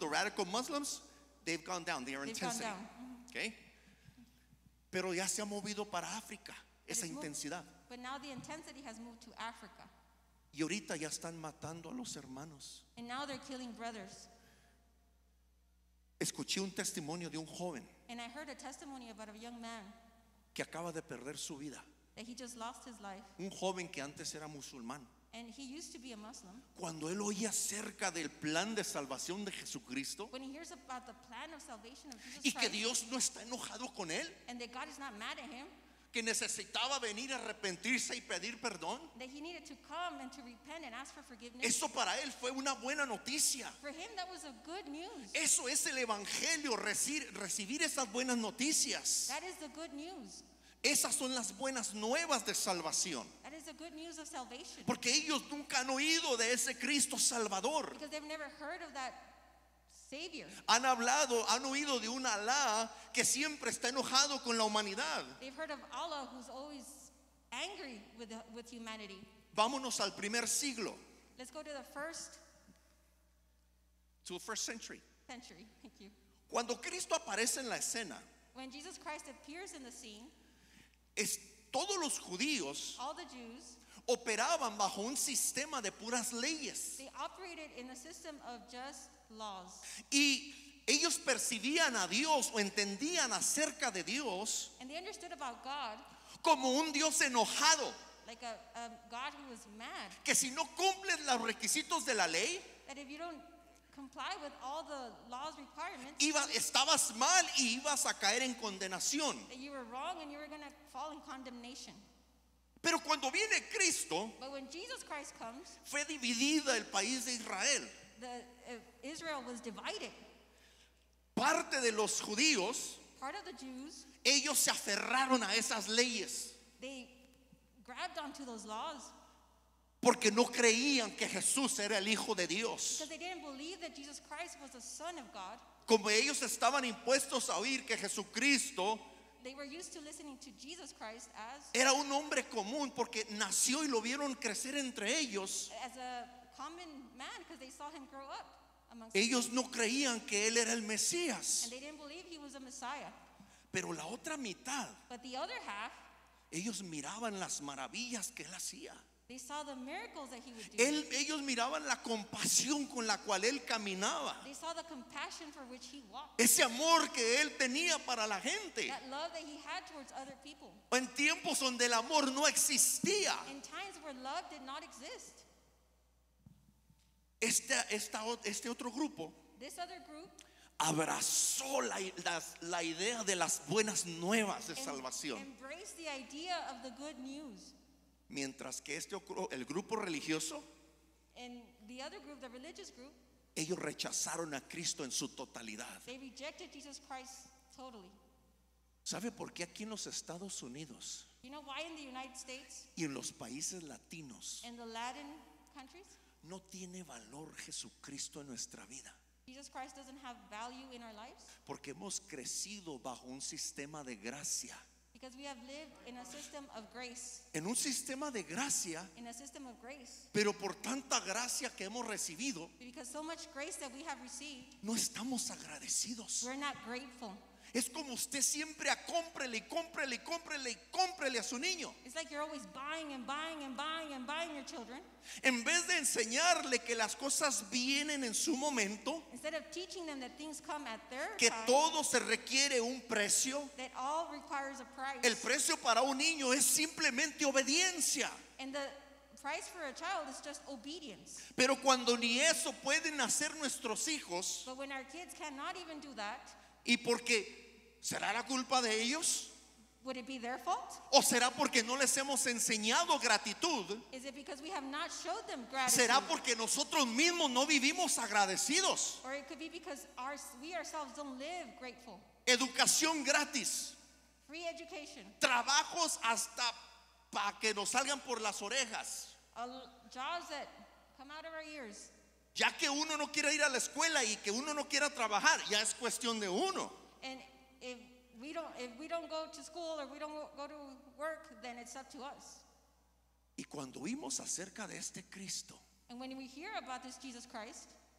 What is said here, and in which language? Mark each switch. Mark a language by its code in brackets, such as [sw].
[en] The radical Muslims, they've gone down, they are intensity, gone down. Mm-hmm. [es] Okay, pero ya se ha movido para África esa intensidad, [en] but now the intensity has moved to Africa. [es] Y ahorita ya están matando a los hermanos. [en] And now they're killing brothers. [es] Escuché un testimonio de un joven. [en] And I heard a testimony about a young man. [es] Que acaba de perder su vida. [en] That he just lost his life. [es] Un joven que antes era musulmán. [en] And he used to be a Muslim. [es] Cuando él oía acerca del plan de salvación de Jesucristo. [en] When he hears about the plan of salvation of Jesus Christ. [es] Y que Dios no está enojado con él. [en] And that God is not mad at him. [es] Que necesitaba venir a arrepentirse y pedir perdón. [en] That he needed to come and to repent and ask for forgiveness. [es] Eso para él fue una buena noticia. [en] For him, that was a good news. [es] Eso es el evangelio, recibir esas buenas noticias. [en] That is the good news. [es] Esas son las buenas nuevas de salvación. [en] That is the good news of salvation. [es] Porque ellos nunca han oído de ese Cristo Salvador. [en] Because they've never heard of that Savior. [es] Han hablado, han oído de un Alá que siempre está enojado con la humanidad. [en] They've heard of Allah who's always angry with humanity. [es] Vámonos al primer siglo. [en] Let's go to the first. To the first century. Century, thank you. [es] Cuando Cristo aparece en la escena. [en] When Jesus Christ appears in the scene. [es] Es todos los judíos. [en] All the Jews. [es] Operaban bajo un sistema de puras leyes. [en] They operated in a system of just laws. [es] Y ellos percibían a Dios o entendían acerca de Dios, [en] and they understood about God, [es] como un Dios enojado, [en] like a God who was mad, [es] que si no cumples los requisitos de la ley, [en] that if you don't comply with all the law's requirements, [es] estabas mal y ibas a caer en condenación, [en] that you were wrong and you were going to fall in condemnation. [es] Pero cuando viene Cristo, [en] but when Jesus Christ comes, [es] fue dividida el país de Israel. [en] Israel was divided. [es] Parte de los judíos, [en] part of the Jews, [es] ellos se aferraron a esas leyes. [en] They grabbed onto those laws. [es] Porque no creían que Jesús era el Hijo de Dios. [en] Because they didn't believe that Jesus Christ was the Son of God. [es] Como ellos estaban impuestos a oír que Jesucristo, [en] they were used to listening to Jesus Christ as, [es] era un hombre común porque nació y lo vieron crecer entre ellos. [en] As a common man, because they saw him grow up amongst [es] ellos, no creían que él era el Mesías. [en] And they didn't believe he was a Messiah. [es] Pero la otra mitad, [en] but the other half, [es] ellos miraban las maravillas que él hacía. [en] They saw the miracles that he would do. [es] Él, ellos miraban la compasión con la cual él caminaba. [en] They saw the compassion for which he walked. [es] Ese amor que él tenía para la gente. [en] That love that he had towards other people. [es] En tiempos donde el amor no existía. [en] In times where love did not exist. [es] Este otro grupo. [en] This other group. [es] Abrazó la idea de las buenas nuevas de salvación. [en] Embraced the idea of the good news. [es] Mientras que el grupo religioso, [en] the other group, the religious group, [es] ellos rechazaron a Cristo en su totalidad. [en] They rejected Jesus Christ totally. [es] ¿Sabe por qué aquí en los Estados Unidos, [en] you know why in the United States, [es] y en los países latinos, [en] in the Latin countries, [es] no tiene valor Jesucristo en nuestra vida? [en] Jesus Christ doesn't have value in our lives? [es] Porque hemos crecido bajo un sistema de gracia. [en] Because we have lived in a system of grace. [es] En un sistema de gracia. [en] In a system of grace. [es] Pero por tanta gracia que hemos recibido. [en] Because so much grace that we have received. [es] No estamos agradecidos. [en] We're not grateful. [es] Es como usted siempre cómprele a su niño. [en] It's like you're always buying and buying and buying and buying your children. [es] En vez de enseñarle que las cosas vienen en su momento. [en] Instead of teaching them that things come at their [es] que [en] time, [es] todo se requiere un precio. [en] That all requires a price. [es] El precio para un niño es simplemente obediencia. [en] And the price for a child is just obedience. [es] Pero cuando ni eso pueden hacer nuestros hijos. [en] But when our kids cannot even do that. [es] ¿Y por qué? ¿Será la culpa de ellos? [en] Would it be their fault? [es] ¿O será porque no les hemos enseñado gratitud? [en] Is it because we have not showed them gratitude? [es] ¿Será porque nosotros mismos no vivimos agradecidos? [en] Or it could be because we ourselves don't live grateful. [es] Educación gratis. [en] Free education. [es] Trabajos hasta para que nos salgan por las orejas. [en] Jobs that come out of our ears. [es] Ya que uno no quiera ir a la escuela y que uno no quiera trabajar, ya es cuestión de uno. [en] And if we don't go to school or we don't go to work, then it's up to us. [es] Y cuando oímos acerca de este Cristo, [en] and when we hear about this Jesus Christ,